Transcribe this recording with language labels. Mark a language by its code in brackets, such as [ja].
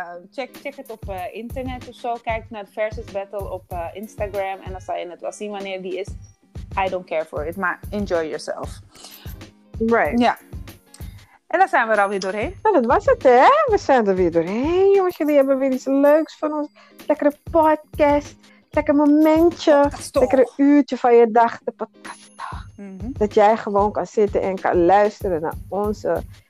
[nl] Check het op internet of zo. Kijk naar Versus Battle op Instagram en dan zal je het wel zien wanneer die is. [en] I don't care for it, [nl] maar [en] enjoy yourself. Right. [nl] Ja. En dan zijn we er alweer doorheen. Nou, dat was het, hè? We zijn er weer doorheen, jongens. Jullie hebben weer iets leuks van ons. Lekkere podcast. Lekker momentje. Lekker een uurtje van je dag. De podcast. Dat jij gewoon kan zitten en kan luisteren naar onze